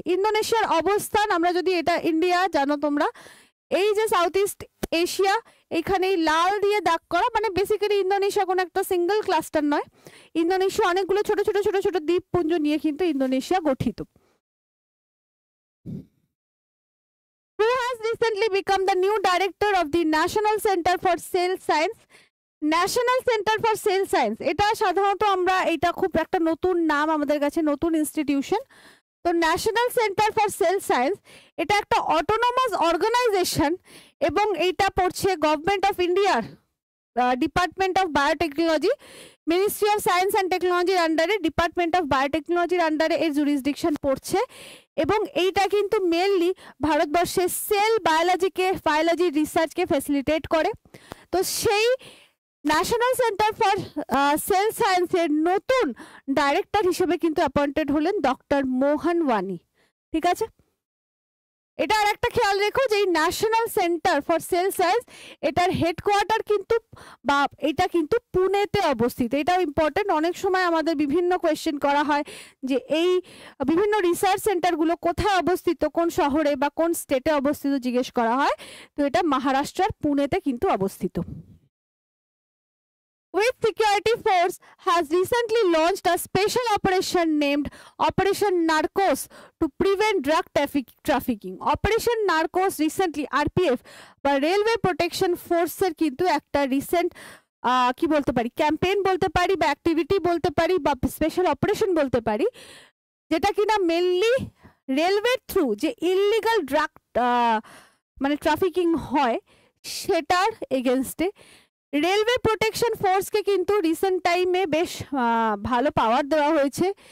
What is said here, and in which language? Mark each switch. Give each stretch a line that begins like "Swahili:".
Bangla: ইন্দোনেশিয়ার অবস্থান আমরা যদি, এটা ইন্ডিয়া জানো তোমরা, এই যে সাউথ ইস্ট এশিয়া এখানে লাল দিয়ে দাগ করা, মানে বেসিক্যালি ইন্দোনেশিয়া কোনো একটা সিঙ্গেল ক্লাস্টার নয়, ইন্দোনেশিয়া অনেকগুলো ছোট ছোট ছোট ছোট দ্বীপপুঞ্জ নিয়ে কিন্তু ইন্দোনেশিয়া গঠিত।
English: Who has recently become the new director of the National Center for Cell Science?
Bangla: National centre for sale science, এটা সাধারণত আমরা, এটা খুব একটা নতুন নাম আমাদের কাছে, নতুন ইনস্টিটিউশন, তো national centre for sale science এটা একটা অটোনোমাস অর্গানাইজেশন এবং এটা পড়ছে গভর্নমেন্ট অফ ইন্ডিয়ার department of biotechnology, ministry of science and টেকনোলজির আন্ডারে, ডিপার্টমেন্ট অফ বায়োটেকনোলজির আন্ডারে এর জুরিসডিকশন পড়ছে, এবং এইটা কিন্তু মেনলি ভারতবর্ষের সেল বায়োলজিকে, বায়োলজি রিসার্চকে ফ্যাসিলিটেট করে। তো সেই ন্যাশনাল সেন্টার ফর সেল সায়েন্সের নতুন ডাইরেক্টর হিসেবে কিন্তু অ্যাপয়েন্টেড হলেন ডক্টর মোহন ওয়ানি, ঠিক আছে। এটা আর একটা খেয়াল রেখো যে এই national centre for sale science এটার হেডকোয়ার্টার কিন্তু, বা এটা কিন্তু পুনেতে অবস্থিত, এটাও ইম্পর্টেন্ট। অনেক সময় আমাদের বিভিন্ন কোয়েশ্চেন করা হয় যে এই বিভিন্ন রিসার্চ সেন্টারগুলো কোথায় অবস্থিত, কোন শহরে বা কোন স্টেটে অবস্থিত জিজ্ঞেস করা হয়, তো এটা মহারাষ্ট্রের পুনেতে কিন্তু অবস্থিত।
English: Which security force has recently launched a special operation named Operation Narcos to prevent drug trafficking? Operation Narcos recently RPF, but Railway Protection Force
Bangla: এর কিন্তু একটা recent কি বলতে পারি, ক্যাম্পেইন বলতে পারি বা অ্যাক্টিভিটি বলতে পারি বা স্পেশাল অপারেশন বলতে পারি, যেটা কিনা মেনলি রেলওয়ের থ্রু যে ইললিগাল ড্রাগ মানে ট্রাফিকিং হয় সেটার এগেনস্টে রেলওয়ে প্রোটেকশন ফোর্সকে কিন্তু রিসেন্ট টাইমে বেশ ভালো পাওয়ার দেওয়া হয়েছে।